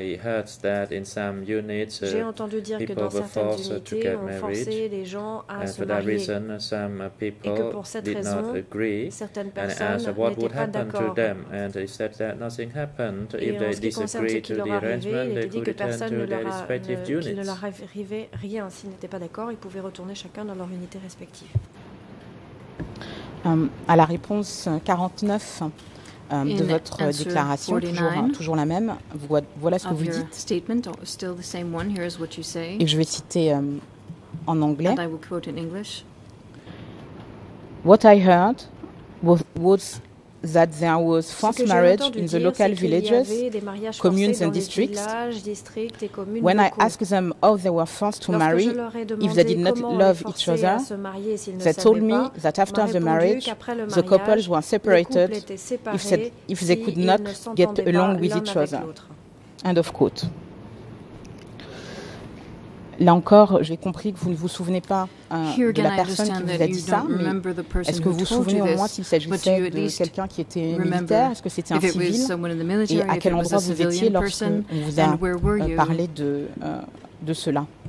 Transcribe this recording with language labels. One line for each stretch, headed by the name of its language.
English: I heard that in some units, people were forced to get married. And for that reason, some people did not agree. And asked what would happen to them. And they said that nothing happened. If they disagreed to the arrangement, they could return to their respective units.
French: Il ne leur arrivait rien. S'ils n'étaient pas d'accord, ils pouvaient retourner chacun dans leur unité respective. À la réponse 49 de votre déclaration, toujours la même, voilà ce que vous dites.
English: One,
French: et je vais citer en anglais.
English: I will quote in English. What I heard was that there was false marriage in the local villages, communes and districts. When I asked them how they were forced to marry, if they did not love each other, they told me that after the marriage, the couples were separated if they could not get along with each other. End of quote.
French: Là encore, j'ai compris que vous ne vous souvenez pas de la personne qui vous a dit ça, mais est-ce que vous vous souvenez au moins s'il s'agissait de quelqu'un qui était militaire, est-ce que c'était un civil, et à quel endroit vous étiez lorsqu'on vous a parlé de cela?